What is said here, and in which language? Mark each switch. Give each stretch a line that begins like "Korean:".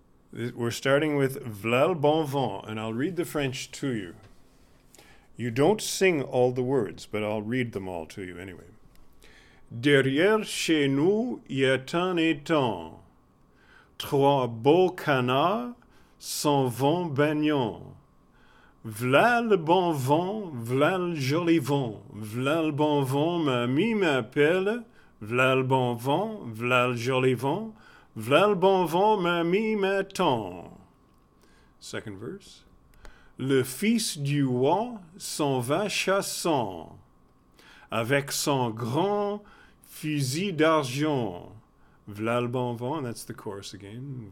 English: We're starting with V'lel bon vent, and I'll read the French to you. You don't sing all the words, but I'll read them all to you anyway.
French: Derrière chez nous y est un étang. Trois beaux canards s'en vont baignant. V'lel bon vent, v'lel joli vent. V'lel bon vent, ma mie m'appelle. V'lel bon vent, v'lel joli vent, v'lel bon vent, mamie m'attend.
English: Second verse.
French: Le fils du roi s'en va chassant, avec son grand fusil d'argent. V'lel bon vent,
English: that's the chorus again.